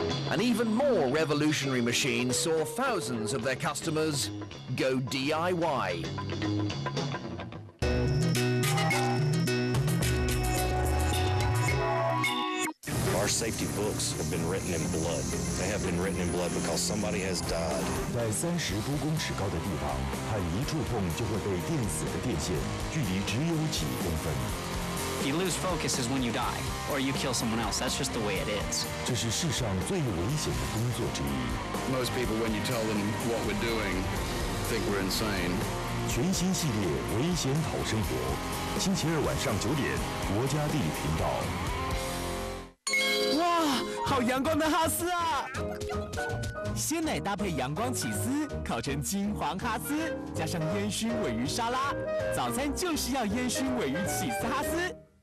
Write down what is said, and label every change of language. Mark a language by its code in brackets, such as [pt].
[en] An even more revolutionary machine saw thousands of their customers go DIY. Our safety books have been written in blood. They have been written in blood because somebody has died. [zh] 在三十多公尺高的地方，很一触碰就会被电死的电线，距离只有几公分。 [en] You lose focus is when you die, or you kill someone else. That's just the way it is. [zh] 这是世上最危险的工作之一。 [en] Most people, when you tell them what we're doing, think we're insane. [zh] 全新系列《危险讨生活》，星期二晚上九点，国家地理频道。哇，好阳光的哈斯啊！鲜奶搭配阳光起司，烤成金黄哈斯，加上烟熏鲔鱼沙拉，早餐就是要烟熏鲔鱼起司哈斯。